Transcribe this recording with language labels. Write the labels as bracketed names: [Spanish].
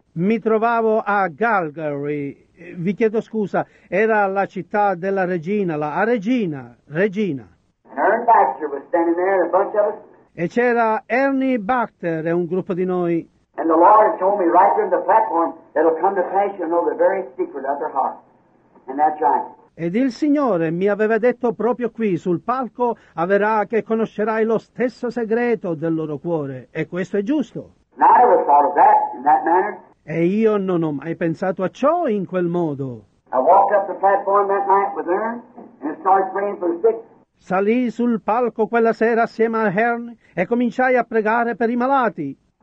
[Italian] Mi trovavo a Calgary, vi chiedo scusa, era la città della regina, la regina, regina. [English] And Ernie Baxter was standing there, a bunch of us. [Italian] E c'era Ernie Baxter e un gruppo di noi. [English] And the Lord told me right there in the platform that it'll come to pass, you'll know the very secret of their heart. And that's right. [Italian] Ed il Signore mi aveva detto proprio qui, sul palco, avverrà che conoscerai lo stesso segreto del loro cuore. E questo è giusto. [English] Now, I never thought of that in that manner. [Italian] E io non ho mai pensato a ciò in quel modo. [English] I walked up the platform that night with her and started praying for the sick. [Italian] Salì sul palco quella sera assieme a Hern e cominciai a pregare per i malati.